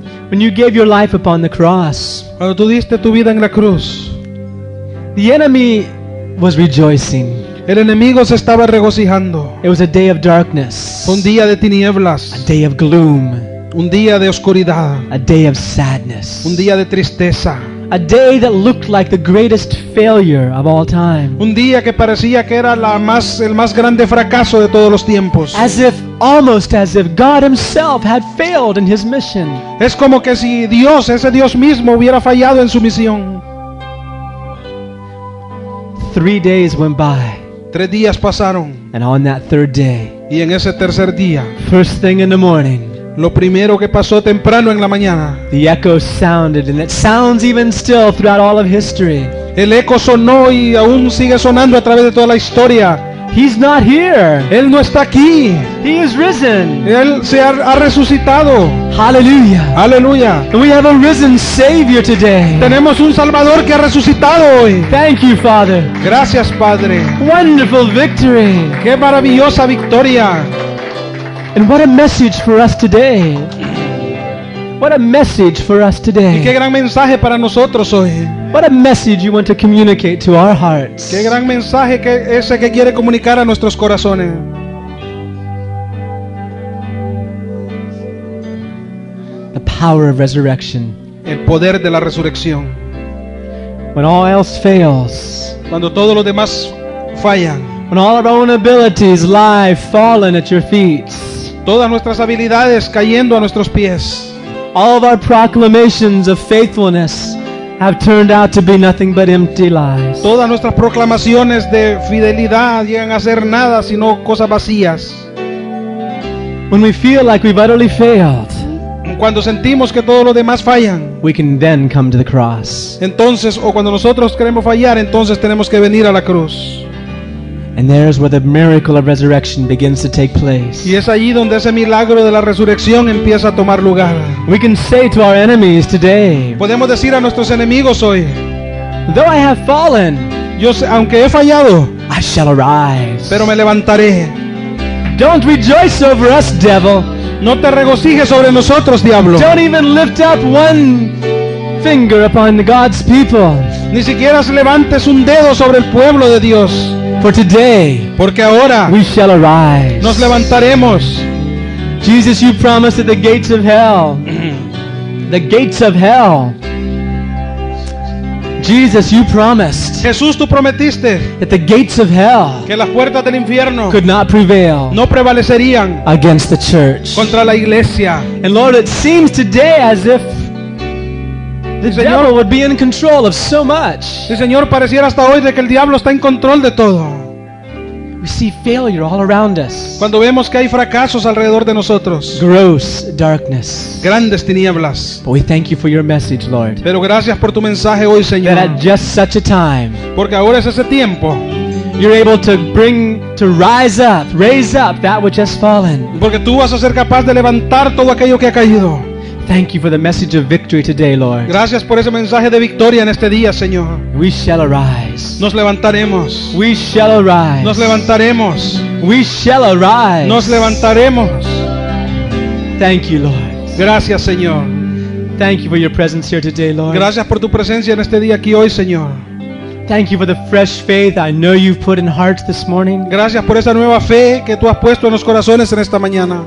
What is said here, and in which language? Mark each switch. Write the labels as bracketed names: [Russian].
[English] When you gave your life upon the cross, [Spanish] cuando tú diste tu vida en la cruz, [English] the enemy was rejoicing. [Spanish] El enemigo se estaba regocijando. [English] It was a day of darkness. [Spanish] Un día de tinieblas. [English] A day of gloom. [Spanish] Un día de oscuridad. [English] A day of sadness. [Spanish] Un día de tristeza. [English] A day that looked like the greatest failure of all time. [Spanish] Un día que parecía que era el más grande fracaso de todos los tiempos. [English] Almost as if God himself had failed in his mission. [Spanish] Es como que si Dios, ese Dios mismo, hubiera fallado en su misión. [English] 3 days went by. [Spanish] 3 días pasaron. [English] And on that third day. [Spanish] Y en ese tercer día. [English] First thing in the morning. [Spanish] Lo primero que pasó temprano en la mañana. [English] The echo sounded, and it sounds even still throughout all of history. [Spanish] El eco sonó y aún sigue sonando a través de toda la historia. [English] He's not here. [Spanish] Él no está aquí. [English] He is risen. [Spanish] Él se ha resucitado. [English] Hallelujah. Hallelujah. And we have a risen Savior today. [Spanish] Tenemos un Salvador que ha resucitado hoy. [English] Thank you, Father. [Spanish] Gracias, Padre. [English] Wonderful victory. [Spanish] Qué maravillosa victoria. [English] And what a message for us today. What a message for us today. [Spanish] Y qué gran mensaje para nosotros hoy. [English] What a message you want to communicate to our hearts. [Spanish] Qué gran mensaje que ese que quiere comunicar a nuestros corazones. [English] The power of resurrection. [Spanish] El poder de la resurrección. [English] When all else fails. [Spanish] Cuando todo lo demás falla. [English] When all our own abilities lie fallen at your feet. [Spanish] Todas nuestras habilidades cayendo a nuestros pies. [English] All of our proclamations of faithfulness have turned out to be nothing but empty lies. [Spanish] Todas nuestras proclamaciones de fidelidad llegan a ser nada sino cosas vacías. [English] When we feel like we've utterly failed, [Spanish] cuando sentimos que todos los demás fallan, [English] we can then come to the cross. [Spanish] Entonces, o cuando nosotros queremos fallar, entonces tenemos que venir a la cruz. [English] And there is where the miracle of resurrection begins to take place. [Spanish] Y es allí donde ese milagro de la resurrección empieza a tomar lugar. [English] We can say to our enemies today. [Spanish] Podemos decir a nuestros enemigos hoy. [English] Though I have fallen, [Spanish] yo sé, aunque he fallado, [English] I shall arise. [Spanish] Pero me levantaré. [English] Don't rejoice over us, devil. [Spanish] No te regocijes sobre nosotros, diablo. [English] Don't even lift up one finger upon God's people. [Spanish] Ni siquiera levantes un dedo sobre el pueblo de Dios. [English] For today, [Spanish] porque ahora, [English] we shall arise. [Spanish] Nos levantaremos. [English] Jesus, you promised that the gates of hell, the gates of hell. Jesus, you promised. [Spanish] Jesús, tú prometiste [English] that the gates of hell, [Spanish] que las puertas del infierno, [English] could not prevail, [Spanish] no prevalecerían, [English] against the church, [Spanish] contra la iglesia. [English] And Lord, it seems today as if the [Spanish] Señor, [English] devil would be in control of so much. [Spanish] Sí, Señor, pareciera hasta hoy de que el diablo está en control de todo. [English] We see failure all around us. [Spanish] Cuando vemos que hay fracasos alrededor de nosotros. [English] Gross darkness. [Spanish] Grandes tinieblas. [English] But we thank you for your message, Lord. [Spanish] Pero gracias por tu mensaje hoy, Señor. [English] That at just such a time. [Spanish] Porque ahora es ese tiempo. [English] You're able to bring to rise up, raise up that which has fallen. [Spanish] Porque tú vas a ser capaz de levantar todo aquello que ha caído. [English] Thank you for the message of victory today, Lord. [Spanish] Gracias por ese mensaje de victoria en este día, Señor. [English] We shall arise. [Spanish] Nos levantaremos. [English] We shall arise. [Spanish] Nos levantaremos. [English] We shall arise. [Spanish] Nos levantaremos. [English] Thank you, Lord. [Spanish] Gracias, Señor. [English] Thank you for your presence here today, Lord. [Spanish] Gracias por tu presencia en este día aquí hoy, Señor. [English] Thank you for the fresh faith I know you've put in hearts this morning. [Spanish] Gracias por esa nueva fe que tú has puesto en los corazones en esta mañana.